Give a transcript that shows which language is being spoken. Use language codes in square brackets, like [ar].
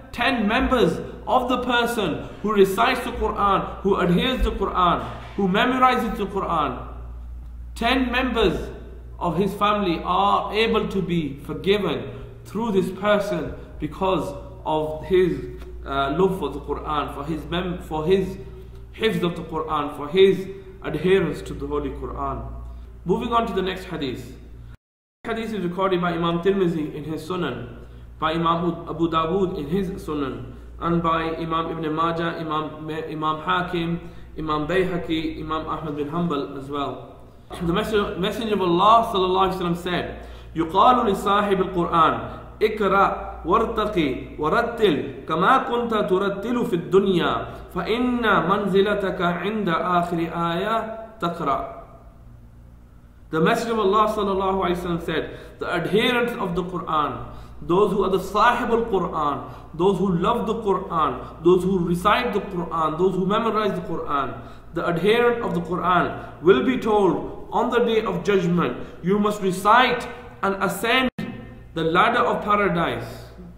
[en] 10 members of the person who recites the Quran, who adheres to the Quran, who memorizes the Quran, 10 members of his family are able to be forgiven through this person because of his love for the Quran, for his hifz of the Quran, for his adherence to the Holy Quran. Moving on to the next hadith. Hadith is recorded by Imam Tirmizi in his Sunan, by Imam Abu Dawood in his Sunan, and by Imam Ibn Majah, Imam Hakim, Imam Bayhaqi, Imam Ahmad bin Hanbal as well. The Messenger of Allah sallallahu alaihi wasallam said, [ar] يُقَالُ لِصَاحِبِ الْقُرْآنِ اِكْرَأْ وَارْتَقِ وَرَتِّلْ كَمَا كُنْتَ تُرَتِّلُ فِي الدُّنْيَا فَإِنَّ مَنْزِلَتَكَ عِنْدَ آخِرِ آيَةٍ تَقْرَأْ. [en] The Messenger of Allah sallallahu alaihi wasallam said, the adherents of the Quran, those who are the sahib al-Quran, those who love the Quran, those who recite the Quran, those who memorize the Quran, the adherent of the Quran will be told on the Day of Judgment, you must recite and ascend the ladder of paradise.